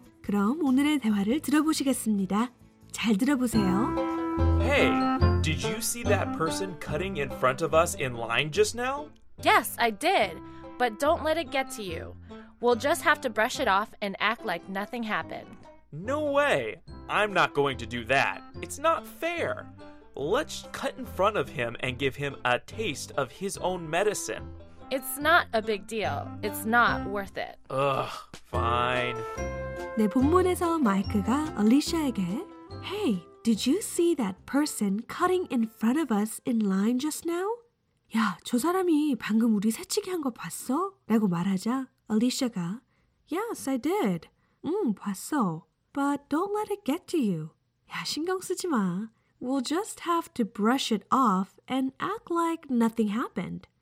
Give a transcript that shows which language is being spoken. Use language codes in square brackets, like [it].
[ko] 그럼 오늘의 대화를 들어보시겠습니다. 잘 들어보세요. [en] Hey, did you see that person cutting in front of us in line just now? Yes, I did. But don't let it get to you. We'll just have to brush it off and act like nothing happened. No way. I'm not going to do that. It's not fair. Let's cut in front of him and give him a taste of his own medicine. It's not a big deal. It's not worth it. Ugh, fine. [ko] 네, 본문에서 마이크가 알리샤에게 [en] Hey, Did you see that person cutting in front of us in line just now? [ko] 야, 저 사람이 방금 우리 새치기 한 거 봤어? 라고 말하자 Alicia가 [en] Yes, I did. [ko] 봤어. [en] But don't let it get to you. [ko] 야, 신경 쓰지 마. [en] We'll just have to brush it off and act like nothing happened.